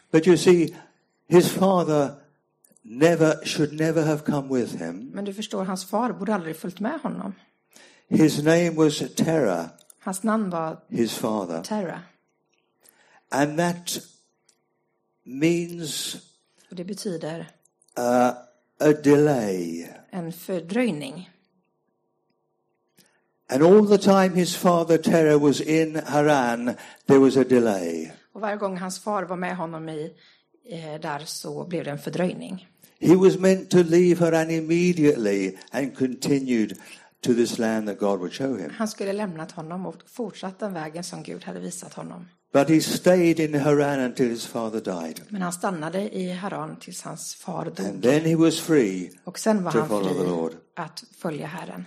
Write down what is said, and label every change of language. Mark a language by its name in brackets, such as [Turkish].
[English] But you see, his father should never have come with him. [Swedish] Men du förstår, hans far borde aldrig följt med honom. [English] His name was Terah. [Swedish] Hans namn var [English] his father. [Swedish] Terah. [English] And that means. [Swedish] Och det betyder. [English] A delay. [Swedish] En fördröjning. [English] And all the time his father Terah was in Haran, there was a delay. [Swedish] Och varje gång hans far var med honom i där så blev det en fördröjning. [English] He was meant to leave Haran immediately and continued to this land that God would show him. [Swedish] Han skulle lämnat honom och fortsatt den vägen som Gud hade visat honom. [English] But he stayed in Haran until his father died. [Swedish] Men han stannade i Haran tills hans far dog. [English] And then he was free. [Swedish] Och sen var han fri att följa Herren.